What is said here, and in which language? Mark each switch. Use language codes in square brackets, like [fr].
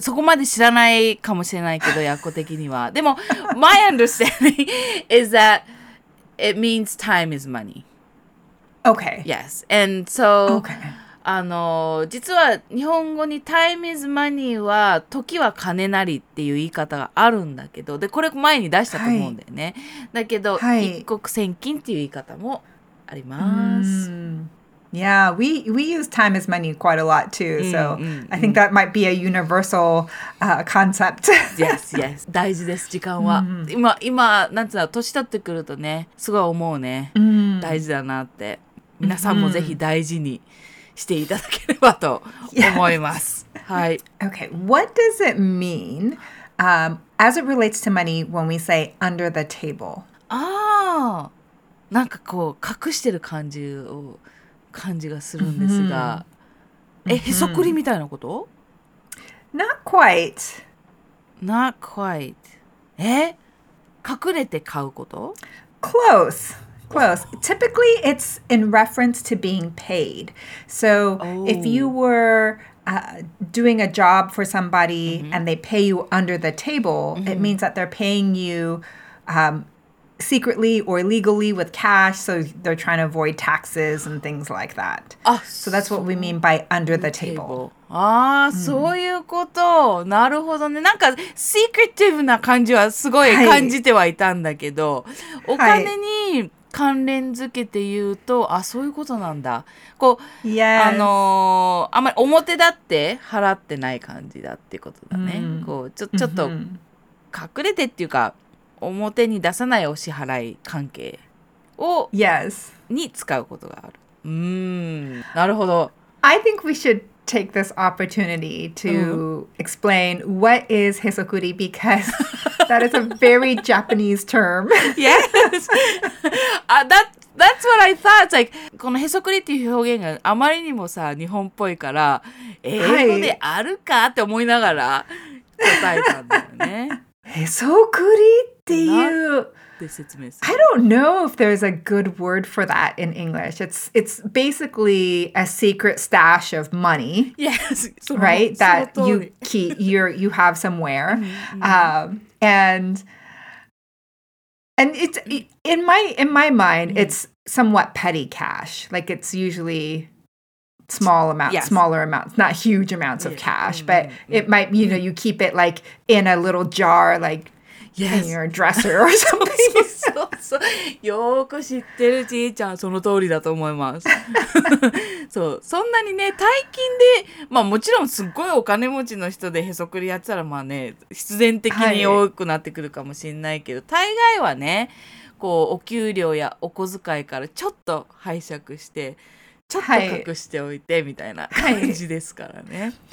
[ja] そこまで知らないかもしれないけど、訳的には。 [en] でも、my understanding is that it means time is money. Okay. [ja] Yes. And so,、okay. 実は日本語に [en] time is money [ja] は、時は金なりっていう言い方があるんだけど、で、これ前に出したと思うんだよね。はい、だけど、はい、一国千金っていう言い方もあります。 [en] Yeah, we use time as money quite a lot too. So I think that might be a universal concept. [ja] Yes, yes. 大事です、時間は。今、なんていうの、年取ってくるとね、すごい思うね。大事だなって。皆さんもぜひ大事にしていただければと思います。はい。 [en] Okay, what does it mean, as it relates to money when we say under the table? [ja] ああ、なんかこう、隠してる感じを。感じがするんですが、へそくりみたいなこと？ [en] Not quite. Not quite. [ja] 隠れて買うこと？ [en] Close. Close. Typically, it's in reference to being paid. So, if you were doing a job for somebody and they pay you under the table, it means that they're paying you secretly or legally with cash, so they're trying to avoid taxes and things like that. So that's what we mean by under the table. [ja] そういうこと。なるほどね。なんか secretive な感じはすごい感じてはいたんだけど、お金に関連付けて言うと、そういうことなんだ。こう、あんまり表立って払ってない感じだってことだね。こう、ちょっと隠れてっていうか、表に出さないお支払い関係を、 [en] yes. [ja] に使うことがある。なるほど。 [en] I think we should take this opportunity to explain what is hesokuri because that is a very Japanese term. Yes. That's what I thought. It's like, [ja] このへそくりっていう表現があまりにもさ、日本っぽいから、英語であるかって思いながら答えたんだよね。 [en] へそくりっていう、I don't know if there's a good word for that in English. It's basically a secret stash of money. Yes, right? That you keep, you have somewhere. And it's, in my mind, it's somewhat petty cash. Like it's usually small amounts, yes. smaller amounts, not huge amounts of cash, but it might, you know, you keep it like in a little jar, like in your dresser or something. [ja] そうそう。よく知ってるじいちゃん、その通りだと思います。そう、そんなにね、大金で、まあもちろんすっごいお金持ちの人でへそくりやってたら、まあね、必然的に多くなってくるかもしれないけど、はい、大概はね、こう、お給料やお小遣いからちょっと拝借して、ちょっと隠しておいてみたいな感じですからね。